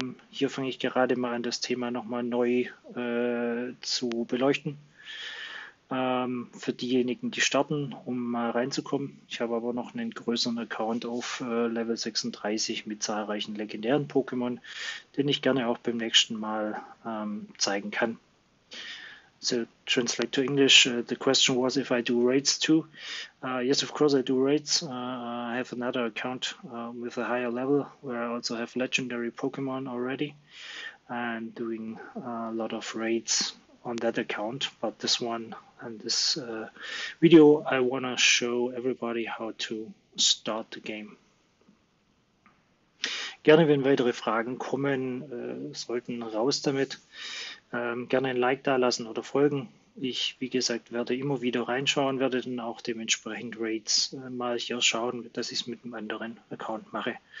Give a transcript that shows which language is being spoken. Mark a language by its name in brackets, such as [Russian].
[German] Hier fange ich gerade mal an, das Thema nochmal neu zu beleuchten. Für diejenigen, die starten, um mal reinzukommen. Ich habe aber noch einen größeren Account auf Level 36 mit zahlreichen legendären Pokémon, den ich gerne auch beim nächsten Mal zeigen kann. [English] So, translate to English. The question was, if I do raids too. Yes, of course I do raids. I have another account with a higher level where I also have legendary Pokémon already and doing a lot of raids on that account. But this one and this video, I wanna show everybody how to start the game. [German] Gerne, wenn weitere Fragen kommen, sollten raus damit. Gerne ein Like da lassen oder folgen. Ich, wie gesagt, werde immer wieder reinschauen, werde dann auch dementsprechend Raids mal hier schauen, dass ich es mit einem anderen Account mache.